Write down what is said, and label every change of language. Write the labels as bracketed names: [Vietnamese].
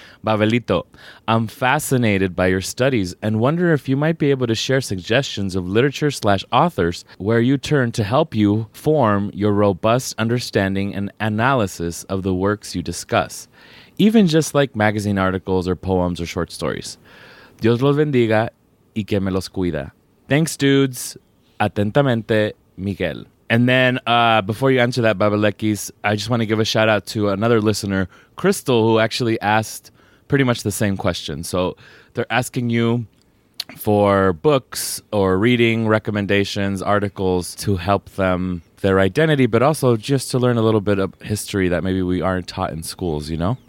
[English] Babelito, I'm fascinated by your studies and wonder if you might be able to share suggestions of literature / authors where you turn to help you form your robust understanding and analysis of the works you discuss, even just like magazine articles or poems or short stories. [Spanish] Dios los bendiga y que me los cuida. [English] Thanks, dudes. Atentamente, Miguel. And then before you answer that, Babalekis, I just want to give a shout out to another listener, Crystal, who actually asked pretty much the same question. So they're asking you for books or reading recommendations, articles to help them their identity, but also just to learn a little bit of history that maybe we aren't taught in schools, you know?